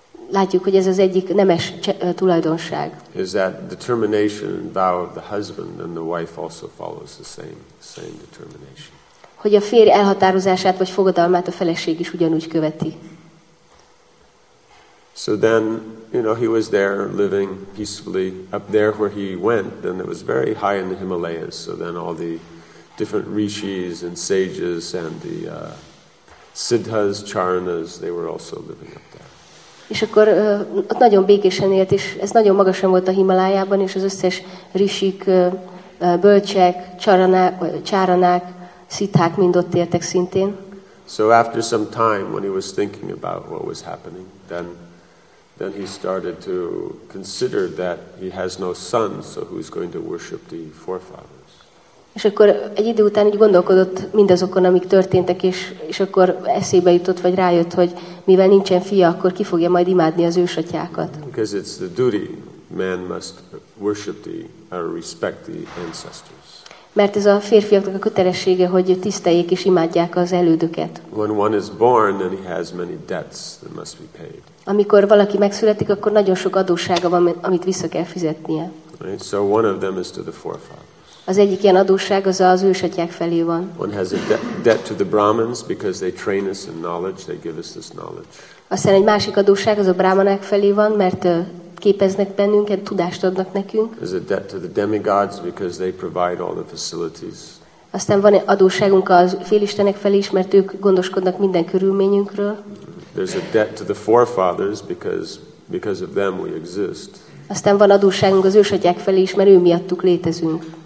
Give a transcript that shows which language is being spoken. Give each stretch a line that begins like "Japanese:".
Hungarian: Látjuk, hogy ez az egyik nemes tulajdonság.
English: Is that determination and vow of the husband and the wife also follows the same determination.
Hungarian: Hogy a férj elhatározását vagy fogadalmát a feleség is ugyanúgy követi.
English: So then, you know, he was there living peacefully up there where he went, and it was very high in the Himalayas. So then all the different rishis and sages and the siddhas, charanas, they were also living up there.
Hungarian: És akkor ott nagyon békésen élt, és ez nagyon magasan volt a Himalájában, és az összes rishik, bölcsek, csáranák, szitthák mind ott értek szintén.
English: So after some time, when he was thinking about what was happening, then he started to consider that he has no son, so who's going to worship the forefathers.
Hungarian: És akkor egy idő után így gondolkodott mindazokon, amik történtek, és akkor eszébe jutott, vagy rájött, hogy mivel nincsen fia, akkor ki fogja majd imádni az ősatyákat.
English: Because it's the duty, man must worship the, or respect the ancestors.
Hungarian: Mert ez a férfiaknak a kötelessége, hogy tiszteljék és imádják az elődöket.
English: When one is born, then he has many debts that must be paid.
Hungarian: Amikor valaki megszületik, akkor nagyon sok adóssága van, amit vissza kell fizetnie.
English: Right? So one of them is to the forefathers.
Hungarian: Az egyik ilyen adósság az ősatyák felé van.
English: One has a debt to the Brahmins because they train us in knowledge, they give us this knowledge.
Hungarian: Aztán egy másik adósság az a brahmanák felé van, mert képeznek bennünket, tudást adnak nekünk.
English: There's a debt to the demigods because they provide all the facilities.
Hungarian: Aztán van adósságunk az félistenek felé is, mert ők gondoskodnak minden körülményünkről.
English: There's a debt to the forefathers because of them we exist.
Hungarian: Aztán van adósságunk az ősatyák felé is, mert ő miattuk létezünk.